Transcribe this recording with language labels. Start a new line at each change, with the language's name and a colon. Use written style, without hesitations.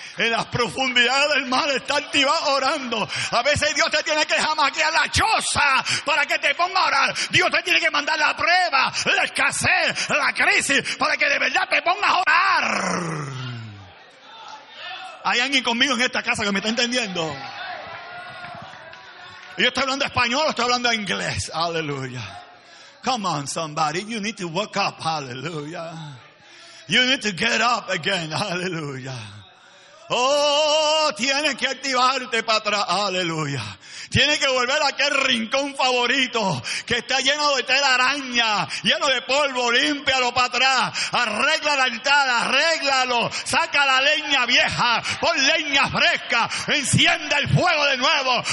Spanish: En las profundidades del mar está activado, orando. A veces Dios te tiene que jamaquear la choza para que te ponga a orar. Dios te tiene que mandar la prueba, la escasez, la crisis, para que de verdad te pongas a orar. ¿Hay alguien conmigo en esta casa que me está entendiendo? ¿Yo estoy hablando español o estoy hablando inglés? Aleluya.
English: Come on, somebody, you need to wake up, hallelujah. You need to get up again, hallelujah.
Spanish: Oh, tienes que activarte para atrás, hallelujah. Tienes que volver a aquel rincón favorito que está lleno de telaraña, lleno de polvo, límpialo para atrás. Arregla el altar, arréglalo. Saca la leña vieja, pon leña fresca, enciende el fuego de nuevo.